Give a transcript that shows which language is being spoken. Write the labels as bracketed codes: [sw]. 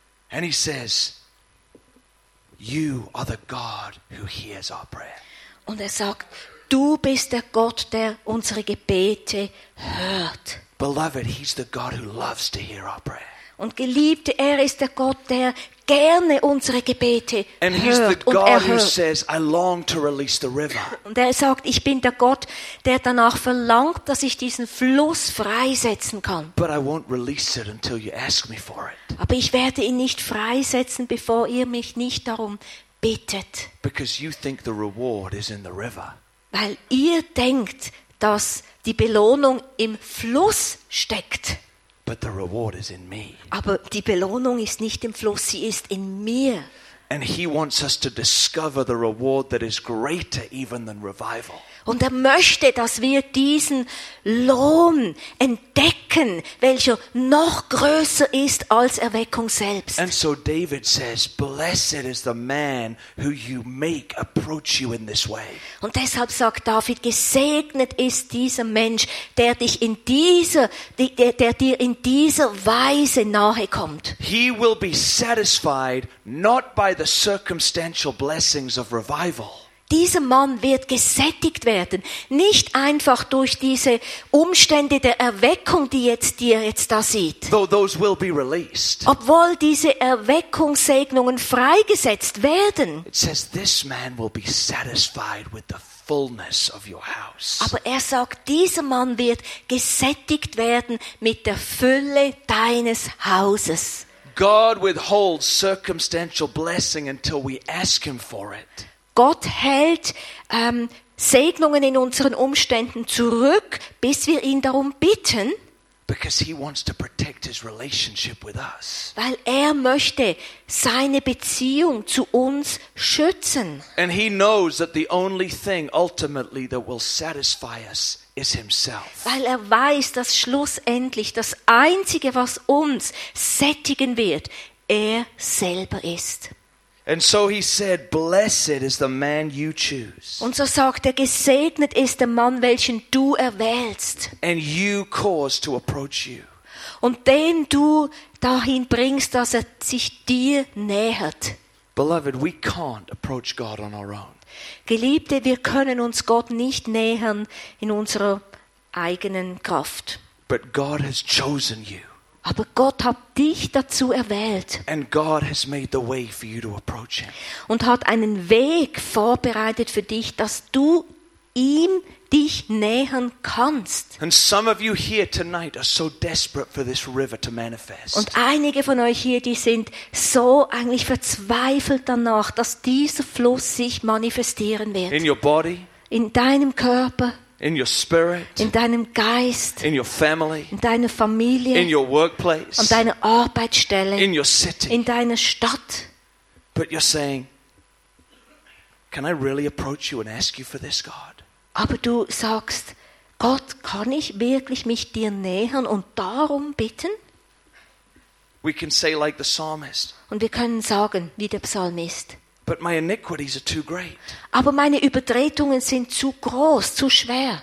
[en] And he says, you are the God who hears our prayer. [de] Und er sagt, du bist der Gott, der unsere Gebete hört. [en] Beloved, he's the God who loves to hear our prayer. [de] Und Geliebte, er ist der Gott, der gerne unsere Gebete [en] and [de] hört. [en] He's the God [de] und er [en] who says, I long to release the river. [de] Und er sagt, ich bin der Gott, der danach verlangt, dass ich diesen Fluss freisetzen kann. [en] But I won't release it until you ask me for it. [de] Aber ich werde ihn nicht freisetzen, bevor ihr mich nicht darum bittet. [en] Because you think the reward is in the river. [de] Weil ihr denkt, dass die Belohnung im Fluss steckt. [en] But the reward is in me. [de] Aber die Belohnung ist nicht im Fluss, sie ist in mir. [en] And he wants us to discover the reward that is greater even than revival. [de] Und er möchte, dass wir diesen Lohn entdecken, welcher noch größer ist als Erweckung selbst. [en] And so David says, blessed is the man who you make approach you in this way. [de] Und deshalb sagt David, gesegnet ist dieser Mensch, der dir in dieser Weise nahe kommt. [en] He will be satisfied not by the circumstantial blessings of revival. [de] Dieser Mann wird gesättigt werden, nicht einfach durch diese Umstände der Erweckung, die er jetzt da sieht. [en] Though those will be released. [de] Obwohl diese Erweckungssegnungen freigesetzt werden. [en] It says this man will be satisfied with the fullness of your house. [de] Aber er sagt, dieser Mann wird gesättigt werden mit der Fülle deines Hauses. [en] God withholds circumstantial blessing until we ask him for it. [de] Gott hält Segnungen in unseren Umständen zurück, bis wir ihn darum bitten. [en] Because he wants to protect his relationship with us. [de] Weil er möchte seine Beziehung zu uns schützen. [en] And he knows that the only thing ultimately that will satisfy us is himself. [de] Weil er weiß, dass schlussendlich das Einzige, was uns sättigen wird, er selber ist. [en] And so he said, "Blessed is the man you choose." [de] Und so sagt er, gesegnet ist der Mann, welchen du erwählst. [en] And you cause to approach you. [de] Und den du dahin bringst, dass er sich dir nähert. [en] Beloved, we can't approach God on our own. [de] Geliebte, wir können uns Gott nicht nähern in unserer eigenen Kraft. [en] But God has chosen you. [de] Aber Gott hat dich dazu erwählt. [en] And God has made the way for you to approach him. [de] Und hat einen Weg vorbereitet für dich, dass du ihm dich nähern kannst. [en] And some of you here tonight are so desperate for this river to manifest. [de] Und einige von euch hier, die sind so eigentlich verzweifelt danach, dass dieser Fluss sich manifestieren wird. [en] In your body. [de] In deinem Körper. [en] In your spirit, [de] in deinem Geist, [en] in your family, [de] in deiner Familie, [en] in your workplace, [de] an deiner Arbeitsstelle, [en] in your city, [de] in deiner Stadt. [en] But you're saying, can I really approach you and ask you for this, God? [de] Aber du sagst, Gott, kann ich wirklich mich dir nähern und darum bitten? [en] We can say like the psalmist. [de] Und wir können sagen, wie der Psalmist. [en] But my iniquities are too great. [de] Aber meine Übertretungen sind zu groß, zu schwer.